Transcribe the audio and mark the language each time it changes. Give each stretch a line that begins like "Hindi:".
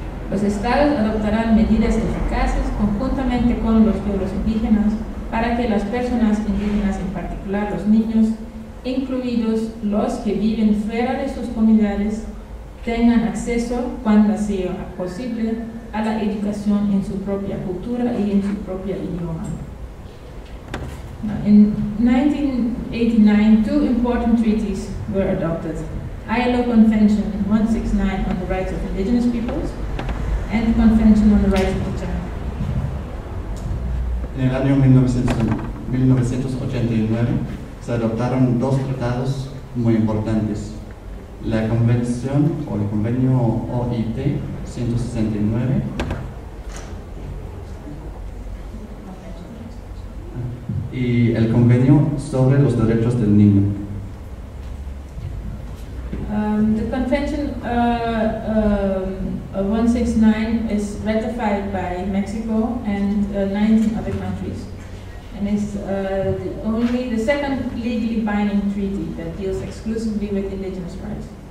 Spanish: Los Estados adoptarán medidas eficaces conjuntamente con los pueblos indígenas para que las personas indígenas, en particular los niños, incluidos los que viven fuera de sus comunidades, tengan acceso, cuando sea posible, a la educación en su propia cultura y en su propio idioma.
English: In 1989, two important treaties were adopted: ILO Convention 169 on the Rights of Indigenous Peoples and Convention on the Rights of the Child.
Spanish: En el año 1989 se adoptaron dos tratados muy importantes: la Convención o el Convenio OIT 169. Y el convenio sobre los derechos del niño.
English: The convention 169 is ratified by Mexico and 19 other countries, and is the second legally binding treaty that deals exclusively with indigenous rights.